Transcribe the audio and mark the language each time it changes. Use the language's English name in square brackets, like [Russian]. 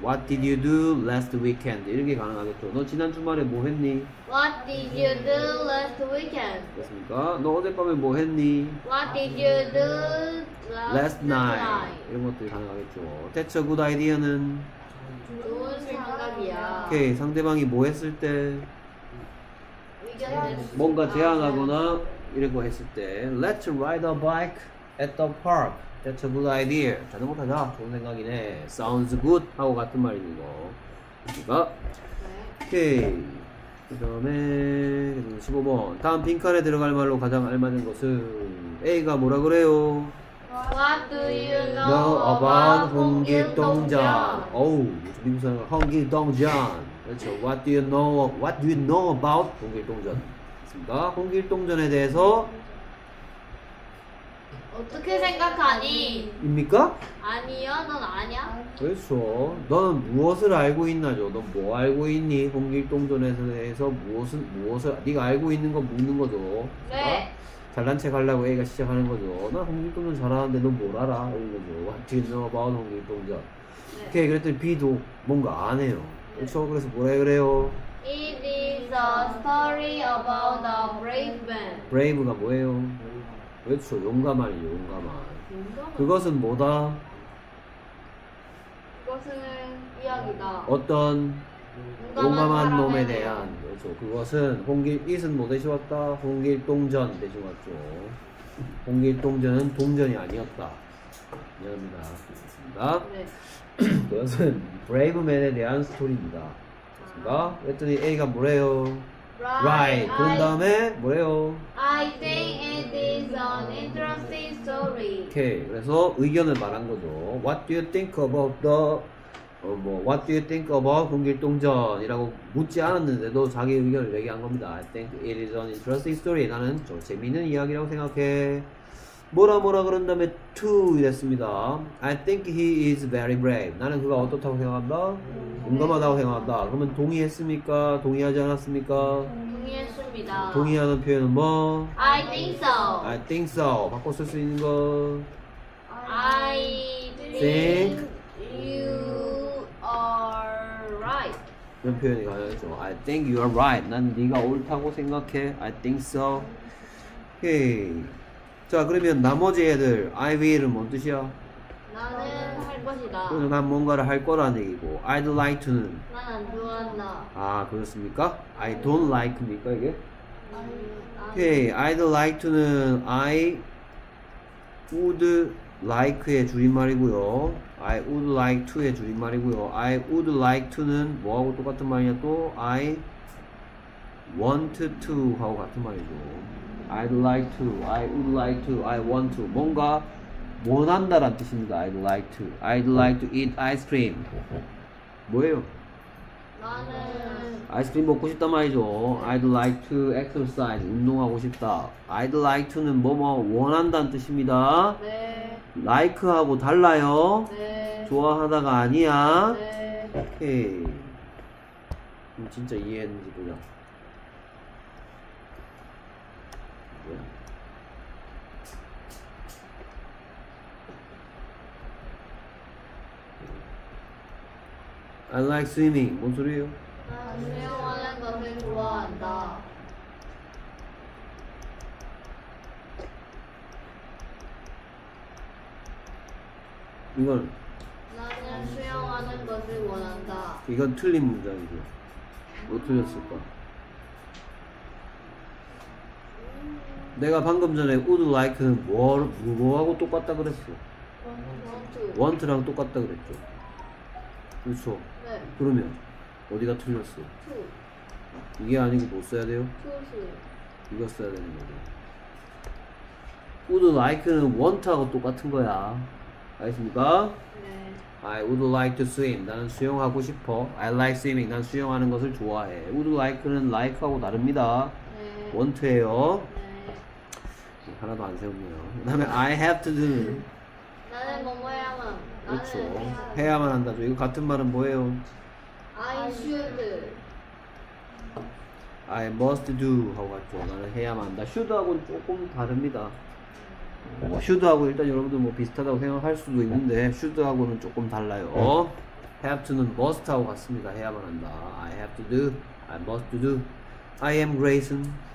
[English] What did you do last weekend? [Korean] 이런 게 가능하겠죠. 너 지난 주말에 뭐 했니? [English] What did you do last weekend? [Korean] 그렇습니까? 너 어젯밤에 뭐 했니? [English] What did you do last night? [Korean] 이런 것들이 가능하겠죠. [English] That's a good idea는 [Korean] 좋은 생각이야. 오케이. 상대방이 뭐 했을 때 뭔가 제안하거나 이런 거 했을 때 [English] Let's ride a bike at the park. That's a good idea. [Korean] 자전거 타자. 좋은 생각이네. [English] Sounds good. [Korean] 하고 같은 말 있는 거. 그니까. 오케이. 그 다음에 15번 다음 빈칸에 들어갈 말로 가장 알맞은 것은 A가 뭐라 그래요? [English] What do you know about 홍길동전? [Korean] 어우 미국 사람 홍길동전 그렇죠. [English] What do you know about 홍길동전? [Korean] 맞습니다. 홍길동전에 대해서 어떻게 생각하니? 입니까? 아니요, 넌 아냐? 그렇죠. 넌 무엇을 알고 있나죠? 넌 뭐 알고 있니? 홍길동전에 대해서 무엇을 네가 알고 있는 거 묻는 거죠. 네. 잘난 척 하려고 애가 시작하는 거죠. 나 홍길동전 잘하는데 넌 뭘 알아? 이런 거죠. [English] What do you know about 홍길동전? [Korean] 네. 오케이, 그랬더니 B도 뭔가 안 해요. 그렇죠? 그래서 뭐라 그래요? [English] It is a story about a brave man. [Korean] Brave가 뭐예요? 그렇죠. 용감한 이 용감한. 그것은 뭐다? 그것은 이야기다. 어떤 용감한 놈에 대한. 그렇죠. 그것은 홍길, it은 뭐 대신 왔다? 홍길동전 대신 왔죠. 홍길동전은 동전이 아니었다. 미안합니다. 좋습니다. 네. 그것은 브레이브맨에 대한 스토리입니다. 좋습니다. 그랬더니 A가 뭐래요? [English] Right. [Korean] 그런 다음에 뭐래요? [English] I think it is an interesting story. [Korean] 오케이. 그래서 의견을 말한 거죠. [English] What do you think about the What do you think about [Korean] 홍길동전이라고 묻지 않았는데도 자기 의견을 얘기한 겁니다. [English] I think it is an interesting story. [Korean] 나는 좀 재미있는 이야기라고 생각해. 뭐라 그런 다음에 to 이랬습니다. [English] I think he is very brave. [Korean] 나는 그가 어떻다고 생각한다? 용감하다고 생각한다. 그러면 동의했습니까? 동의하지 않았습니까? 동의했습니다. 동의하는 표현은 뭐? [English] I think so. [Korean] 바꿔 쓸 수 있는 거? [English] I think you are right. [Korean] 이런 표현이 가능하죠. [English] I think you are right. [Korean] 난 네가 옳다고 생각해. [English] I think so. [Korean] 오케이. 자 그러면 나머지 애들 [English] I will [Korean] 은 뭔 뜻이야? 나는 할 것이다. 그래서 난 뭔가를 할 거라는 얘기고 [English] I'd like to [Korean] 는? 난 안 좋아한다. 아 그렇습니까? [English] I don't like [Korean] 입니까 이게? 아니요. [English] Okay, I'd like to는 I would like [Korean] 의 줄임말이고요. [English] I would like to [Korean] 의 줄임말이고요. [English] I would like to는 [Korean] 뭐하고 똑같은 말이냐 또 [English] I want to하고 같은 말이죠. I'd like to, I would like to, I want to. [Korean] 뭔가 원한다 라는 뜻입니다. [English] I'd like to. I'd like to eat ice cream. [Korean] 뭐예요? 나는 아이스크림 먹고 싶단 말이죠. [English] I'd like to exercise. [Korean] 운동하고 싶다. I'd like to는 뭐뭐 원한다는 뜻입니다. 네. Like하고 달라요. 네. 좋아하다가 아니야. 네. 오케이. 그럼 진짜 이해했는지 보자. 뭐야? [English] I like swimming. [Korean] 뭔 소리예요? 나 수영하는 것을 좋아한다. 이건 나는 수영하는 것을 원한다. 이건 틀린 문장이죠. 뭐 틀렸을까? 내가 방금 전에 would like는 뭐하고 똑같다 그랬어? want랑 똑같다 그랬죠. 그렇죠? 네. 그러면 어디가 틀렸어? [English] to. [Korean] 이게 아니고 뭐 써야 돼요? [English] to. [Korean] 이거 써야 되는 거죠. would like는 want하고 똑같은 거야. 알겠습니까? 네. [English] I would like to swim. [Korean] 나는 수영하고 싶어. [English] I like swimming. [Korean] 난 수영하는 것을 좋아해. would like는 like하고 다릅니다. 네. want예요. 네. 하나도 안 세웠네요. 그 다음에 [English] I have to do. [Korean] 나는 뭐뭐 해야만. 그렇죠. 해야만 한다죠. 이거 같은 말은 뭐예요? [English] I should. I must do [Korean] 하고 같죠. 나는 해야만 한다. should하고는 조금 다릅니다. 뭐 should하고 일단 여러분들 뭐 비슷하다고 생각할 수도 있는데 should하고는 조금 달라요. 어? have to는 must하고 같습니다. 해야만 한다. [English] I have to do. I must do. I am Grayson.